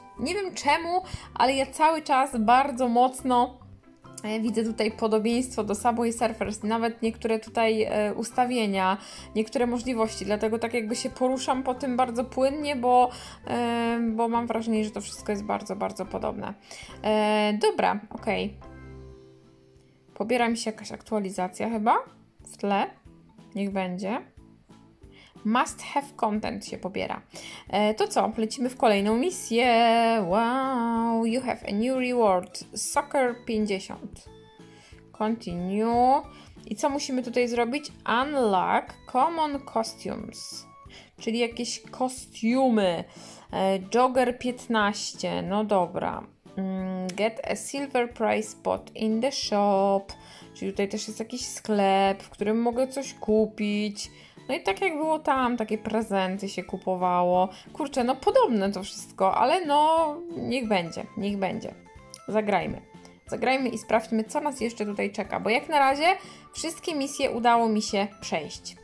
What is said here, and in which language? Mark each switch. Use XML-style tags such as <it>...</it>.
<pl>Nie wiem czemu, ale ja cały czas bardzo mocno widzę tutaj podobieństwo do Subway Surfers, nawet niektóre tutaj ustawienia, niektóre możliwości, dlatego tak jakby się poruszam po tym bardzo płynnie, bo mam wrażenie, że to wszystko jest bardzo, bardzo podobne. Dobra, okej. Okay. Pobiera mi się jakaś aktualizacja chyba w tle, niech będzie. Must have content się pobiera. To co? Lecimy w kolejną misję.</pl> <en>Wow, you have a new reward. Soccer 50. Continue.</en> <pl>I co musimy tutaj zrobić?</pl> <en>Unlock common costumes.</en> <pl>Czyli jakieś kostiumy.</pl> <en>Jogger 15.</en> <pl>No dobra.</pl> <en>Get a silver prize spot in the shop.</en> <pl>Czyli tutaj też jest jakiś sklep, w którym mogę coś kupić. No i tak jak było tam, takie prezenty się kupowało. Kurczę, no podobne to wszystko, ale no niech będzie, niech będzie. Zagrajmy. Zagrajmy i sprawdźmy, co nas jeszcze tutaj czeka, bo jak na razie wszystkie misje udało mi się przejść.</pl>